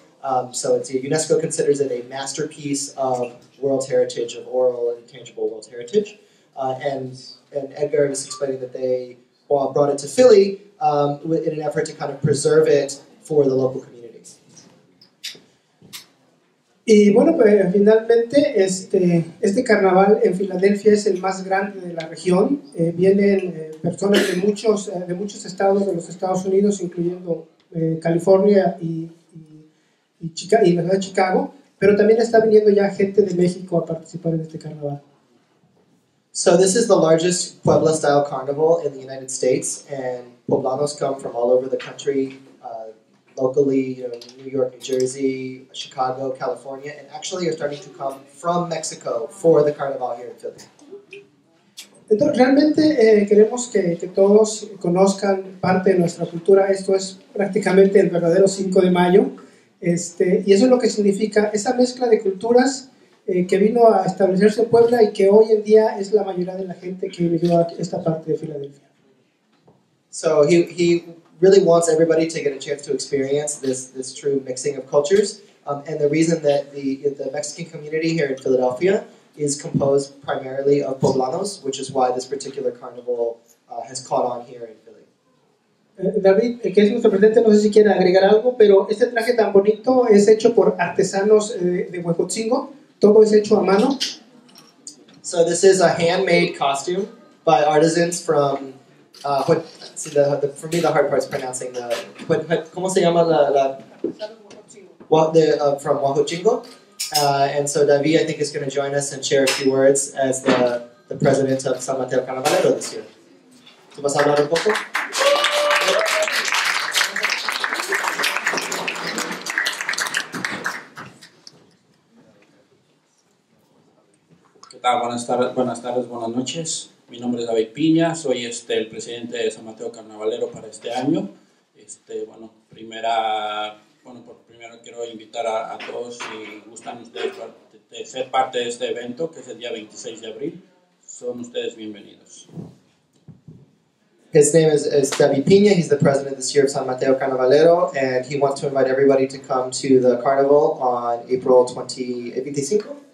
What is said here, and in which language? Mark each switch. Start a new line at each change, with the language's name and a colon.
English: UNESCO considers it a masterpiece of world heritage, of oral and intangible world heritage. And Edgar is explaining that they brought it to Philly in an effort to kind of preserve it for the local communities.
Spanish: Y bueno, pues finalmente este carnaval en Filadelfia es el más grande de la región. Vienen personas de muchos estados de los Estados Unidos, incluyendo California y la ciudad de Chicago, pero también está viniendo ya gente de México a participar en este carnaval.
English: So this is the largest Puebla-style carnival in the United States, and poblanos come from all over the country, locally, you know, New York, New Jersey, Chicago, California, and actually are starting to come from Mexico for the carnaval here in Philly.
Spanish: Entonces, realmente queremos que todos conozcan parte de nuestra cultura. Esto es prácticamente el verdadero 5 de mayo. Y eso es lo que significa esa mezcla de culturas que vino a establecerse en Puebla y que hoy en día es la mayoría de la gente que vivió a esta parte de Filadelfia.
English: So he really wants everybody to get a chance to experience this true mixing of cultures, and the reason that the Mexican community here in Philadelphia is composed primarily of poblanos, which is why this particular carnival has caught on here in Philly.
Spanish: David, que es nuestro presidente, no sé si quiere agregar algo, pero este traje tan bonito es hecho por artesanos de Huejotzingo. Todo es hecho a mano.
English: So this is a handmade costume by artisans from for me the hard part is pronouncing the
Spanish: ¿cómo se llama la
English: from Huejotzingo? And so David, I think, is going to join us and share a few words as the president of San Mateo Carnavalero this year.
Spanish: ¿Tú vas a hablar un poco? Buenas tardes, buenas noches. Mi nombre es David Piña, soy el presidente de San Mateo Carnavalero para este año. Primero quiero invitar a todos, si gustan ustedes de ser parte de este evento, que es el día 26 de abril. Son ustedes bienvenidos.
English: His name is David Piña. He's the president this year of San Mateo Carnavalero, and he wants to invite everybody to come to the carnival on April 25.